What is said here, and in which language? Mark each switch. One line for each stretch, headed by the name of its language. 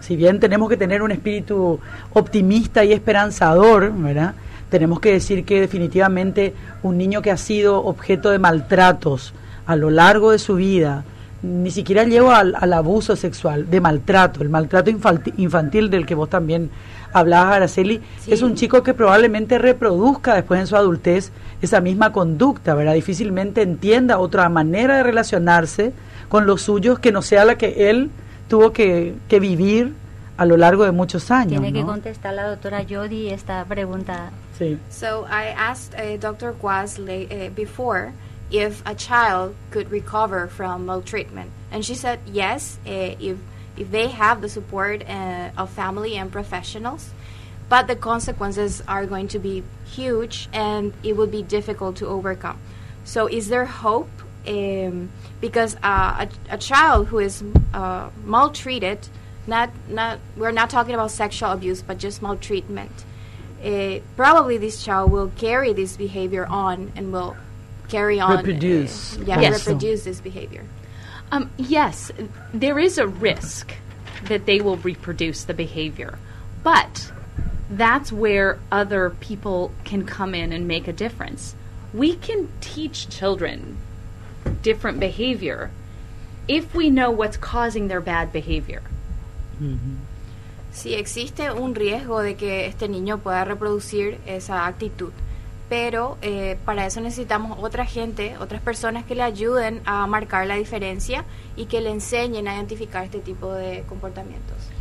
Spanish: Si bien tenemos que tener un espíritu optimista y esperanzador, ¿verdad?, tenemos que decir que definitivamente un niño que ha sido objeto de maltratos a lo largo de su vida, ni siquiera lleva al abuso sexual, de maltrato, el maltrato infantil del que vos también hablabas, Araceli, es un chico que probablemente reproduzca después en su adultez esa misma conducta, ¿verdad? Difícilmente entienda otra manera de relacionarse con los suyos que no sea la que él tuvo que vivir a lo largo de muchos años. Tiene que contestar la doctora Jody esta pregunta. Sí.
English: So I asked Dr. Guaz before if a child could recover from maltreatment, and she said yes, if they have the support of family and professionals, but the consequences are going to be huge and it would be difficult to overcome. So is there hope? Because a child who is maltreated, we're not talking about sexual abuse, but just maltreatment, probably this child will carry this behavior on and will carry on. Reproduce. Reproduce this behavior. Yes, there is a risk that they will reproduce the behavior, but that's where other people can come in and make a difference. We can teach children different behavior if we know what's causing their bad behavior.
Spanish: Sí, existe un riesgo de que este niño pueda reproducir esa actitud, pero para eso necesitamos otra gente, otras personas que le ayuden a marcar la diferencia y que le enseñen a identificar este tipo de comportamientos.